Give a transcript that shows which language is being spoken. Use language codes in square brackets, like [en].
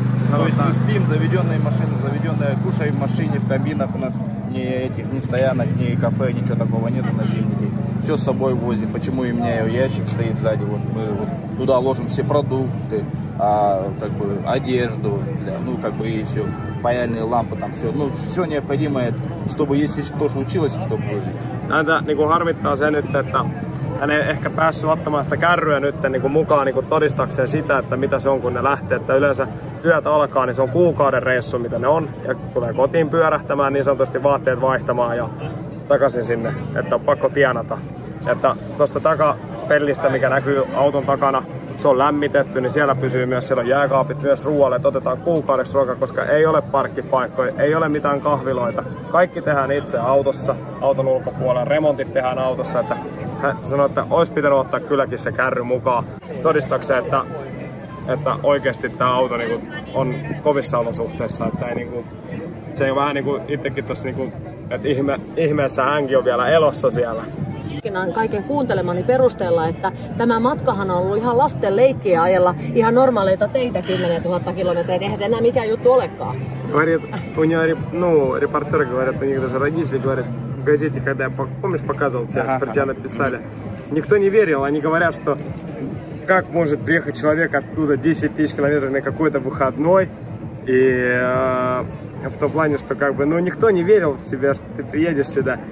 [ru] То есть мы спим, заведенная машина, кушаем в машине, в кабинах у нас ни этих, ни стоянок, ни кафе, ничего такого нету на зимнике. Все с собой возим, почему у меня ящик стоит сзади, вот мы вот туда ложим все продукты. Одежду, и все, паяльные лампы там все, все необходимое, чтобы если что случилось, чтобы выжить. [fi] Это niinku harmittaa sen nyt, että hän ei ehkä päässyt ottamaan sitä kärryä nyt niinku mukaan niinku todistakseen sitä, että mitä se on, kun ne lähtee, että yleensä yöt alkaa, niin se on kuukauden reissu, mitä ne on, ja tulee kotiin pyörähtämään, niin sanotusti vaatteet vaihtamaan ja takaisin sinne, että on pakko tienata. Että tuosta takapellistä, mikä näkyy auton takana, se on lämmitetty, niin siellä pysyy myös, siellä on jääkaapit myös ruoalle, että otetaan kuukaudeksi ruoka, koska ei ole parkkipaikkoja, ei ole mitään kahviloita. Kaikki tehdään itse autossa, auton ulkopuolella, remontit tehdään autossa, että hän sanoi, että olisi pitänyt ottaa kylläkin se kärry mukaan todistakseen, että oikeasti tämä auto on kovissa olosuhteissa, että ei niin kuin, se ei vähän niin kuin itsekin tuossa, että ihmeessä hänkin on vielä elossa siellä. Kaiken kuuntelemani perusteella, että tämä matkahan on ollut ihan lasten leikkiä ajella ihan normaaleita teitä 10 000 kilometriä. Eihän se enää mikään juttu olekaan. [ru] Говорит, у него, репортеры говорят, у них даже родители говорят в газете, когда я, помнишь, показывал тебе, про тебя написали. Никто не верил, они говорят, что как может приехать человек оттуда 10 тысяч километров на какой-то выходной и в том плане, что никто не верил в тебя, что ты приедешь сюда.